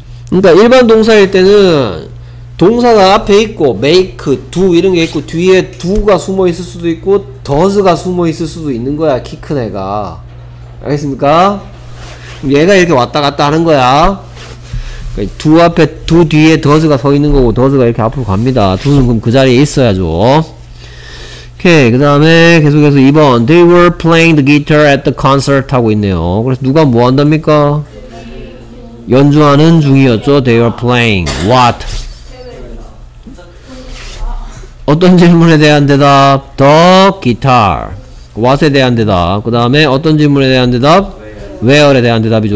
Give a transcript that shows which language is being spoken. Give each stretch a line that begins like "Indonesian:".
Korean: 그러니까 일반 동사일 때는 동사가 앞에 있고 make, do 이런 게 있고 뒤에 do가 숨어 있을 수도 있고 does가 숨어 있을 수도 있는 거야. 키 큰 애가. 알겠습니까? 얘가 이렇게 왔다 갔다 하는 거야. 두 앞에 두 뒤에 does가 서 있는 거고 does가 이렇게 앞으로 갑니다. do는 그럼 그 자리에 있어야죠. 오케이. 그 다음에 계속해서 2번.
English: They were playing the guitar at the concert
Korean: 하고 있네요. 그래서 누가 뭐 한답니까? 연주하는 중이었죠.
English: They were playing. What?
Korean: 어떤 질문에 대한 대답?
English: The guitar.
Korean: What에 대한 대답. 그 다음에 어떤 질문에 대한 대답? Where에 대한 대답이죠.